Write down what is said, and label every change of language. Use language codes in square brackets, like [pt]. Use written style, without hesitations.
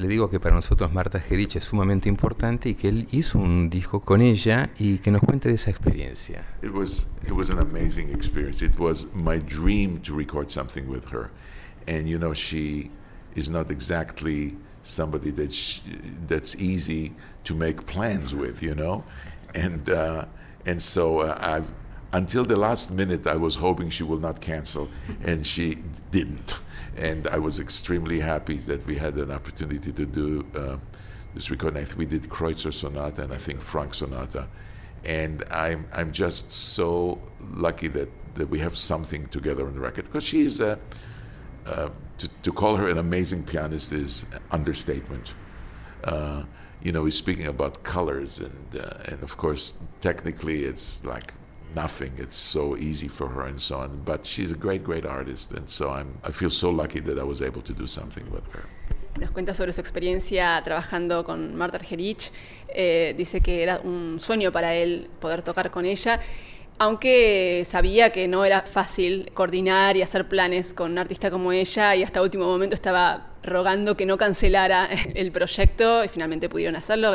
[es] que para nosotros Marta Gerich es sumamente importante y que él hizo un disco con ella y que nos cuente de esa experiencia. [en] It was an amazing experience. It was my dream to record something with her. And you know, she is not exactly somebody that that's easy to make plans with, you know? And so I've until the last minute, I was hoping she will not cancel, and she didn't. And I was extremely happy that we had an opportunity to do this recording. We did Kreutzer Sonata and I think Franck Sonata. And I'm just so lucky that we have something together on the record, because she is, to call her an amazing pianist is an understatement. You know, we're speaking about colors, and of course, technically it's like nothing. It's so easy for her and so on, but she's a great, great artist, and so I feel so lucky that I was able to do something with her. [es] Nos cuenta sobre su experiencia trabajando con Marta Argerich. Dice que era un sueño para él poder tocar con ella, aunque sabía que no era fácil coordinar y hacer planes con una artista como ella, y hasta último momento estaba rogando que no cancelara el proyecto, y finalmente pudieron hacerlo.